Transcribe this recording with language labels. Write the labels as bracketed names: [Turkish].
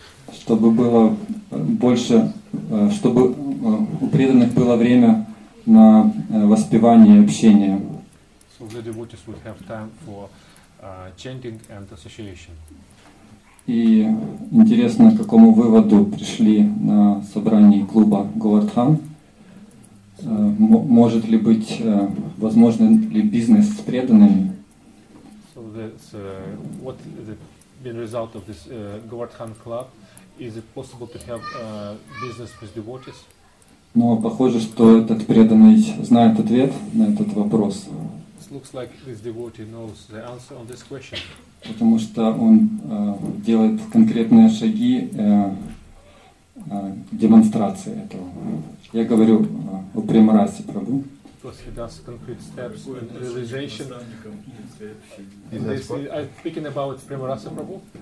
[Russian] Чтобы было больше, чтобы у преданных было время на воспевание и общение. [English] So the devotees would have time for chanting and association. [Russian] И интересно, к какому выводу пришли на собрании клуба Говардхан? Может ли быть возможен ли бизнес с преданными? [English] So that's what the been result of this Govardhan club? Is it possible to have business with devotees? [Russian] Но похоже, что этот преданный знает ответ на этот вопрос. [English] It looks like this devotee knows the answer on this question. [Russian] Потому что он делает конкретные шаги демонстрации этого. Я говорю о Премарасе Прабу. [English] Because he does concrete steps in realization. Are you speaking about Премарасе Прабу?